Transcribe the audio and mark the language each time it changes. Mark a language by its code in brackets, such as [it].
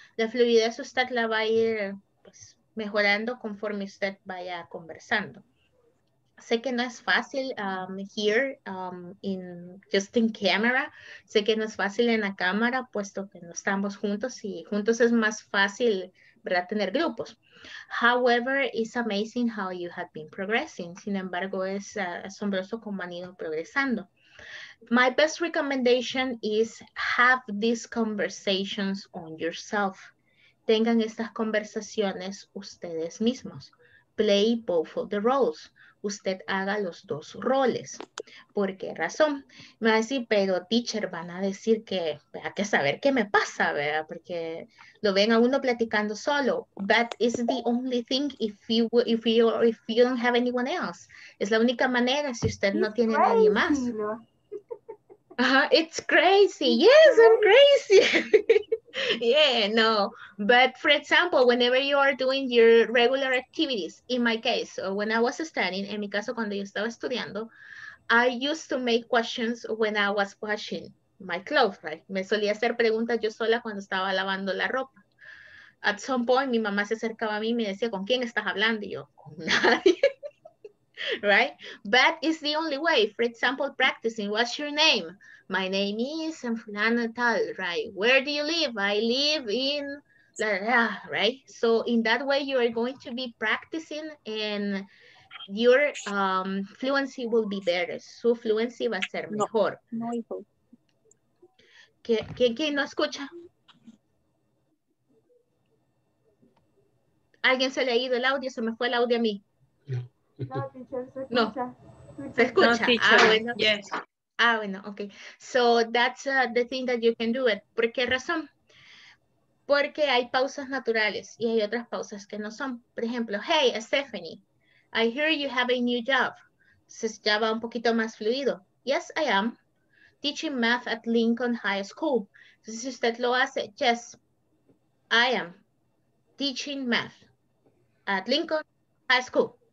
[es] La fluidez usted la va a ir pues, mejorando conforme usted vaya conversando. Sé que no es fácil sé que no es fácil en la cámara, puesto que no estamos juntos y juntos es más fácil, ¿verdad? Tener grupos. [en] However, it's amazing how you have been progressing. [es] Sin embargo, es asombroso cómo han ido progresando. [en] My best recommendation is have these conversations on yourself. [es] Tengan estas conversaciones ustedes mismos. [en] Play both of the roles. [es] Usted haga los dos roles. ¿Por qué razón? Me va a decir, pero teacher, van a decir que hay que saber qué me pasa, ¿verdad? Porque lo ven a uno platicando solo. [en] That is the only thing if you don't have anyone else. [es] Es la única manera si usted no tiene nadie más. [en] It's crazy. Yes, I'm crazy. Yeah, no. But for example, whenever you are doing your regular activities, in my case, or when I was studying, [es] en mi caso cuando yo estaba estudiando, [en] I used to make questions when I was washing my clothes, right? [es] Me solía hacer preguntas yo sola cuando estaba lavando la ropa. [en] At some point, [es] mi mamá se acercaba a mí y me decía, ¿con quién estás hablando? Y yo, con nadie. [en] Right? But it's the only way. For example, practicing, what's your name? My name is Fulana Tal, right? Where do you live? I live in, right? So in that way, you are going to be practicing and your fluency will be better. [es] Su fluency va a ser mejor. No, hijo. ¿Quién no escucha? ¿Alguien se le ha ido el audio? ¿Se me fue el audio a mí? No. ¿Se escucha? No. ¿Se escucha? No, ah, bueno. [en] Yes. [es] Ah, bueno, okay. [en] So that's the thing that you can do it. [es] ¿Por qué razón? Porque hay pausas naturales y hay otras pausas que no son. Por ejemplo, [en] hey, Stephanie, I hear you have a new job. [es] Entonces ya va un poquito más fluido. [en] Yes, I am teaching math at Lincoln High School. [es] Entonces si usted lo hace, [en] yes, I am teaching math at Lincoln High School.